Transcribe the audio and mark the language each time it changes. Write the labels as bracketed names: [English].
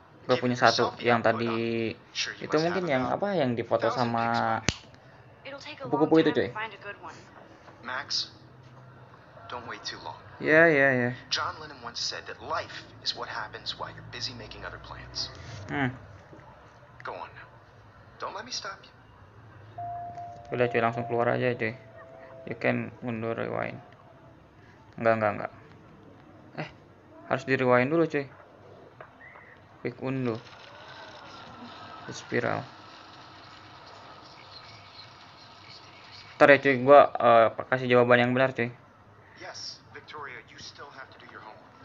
[Indonesian] Gua punya satu yang tadi itu mungkin yang apa yang difoto sama buku-buku itu, cuy. [English] Max, don't wait too long. Yeah. John Lennon once said that life is what happens while you're busy making other plans. Go on. Don't let me stop you. [Indonesian] Udah, cuy, langsung keluar aja, cuy. [English] You can [Indonesian] mundur rewind. Enggak. Harus di rewind dulu, cuy. [English] Quick undo. The spiral. [Indonesian] Ntar ya, cuy, gua kasih jawaban yang benar, cuy. [English] Yes, Victoria, you still have to do your homework.